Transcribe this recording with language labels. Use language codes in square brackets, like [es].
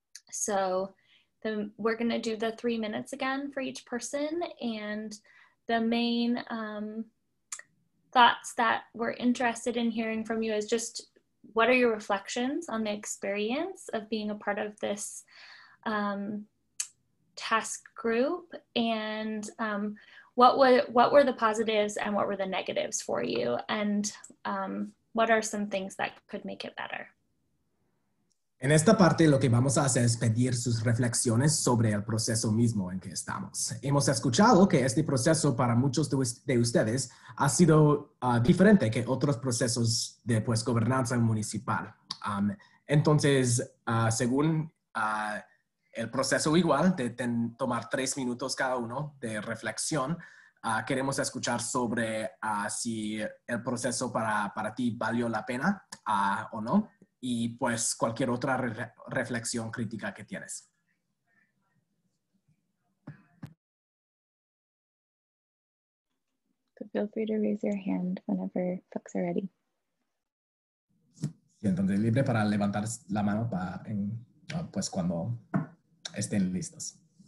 [en] So then we're going to do the 3 minutes again for each person, and the main thoughts that we're interested in hearing from you is just, what are your reflections on the experience of being a part of this task group, and what were the positives and what were the negatives for you, and what are some things that could make it better? [es] En esta parte, lo que vamos a hacer es pedir sus reflexiones sobre el proceso mismo en que estamos. Hemos escuchado que este proceso para muchos de ustedes ha sido diferente que otros procesos de pues, gobernanza municipal. Entonces, según el proceso igual de tomar 3 minutos cada uno de reflexión, queremos escuchar sobre si el proceso para ti valió la pena o no. Y pues cualquier otra reflexión crítica que tienes. [en] Feel free to raise your hand whenever folks are ready. [es] Siéntanse libre para levantar la mano pues cuando estén listos.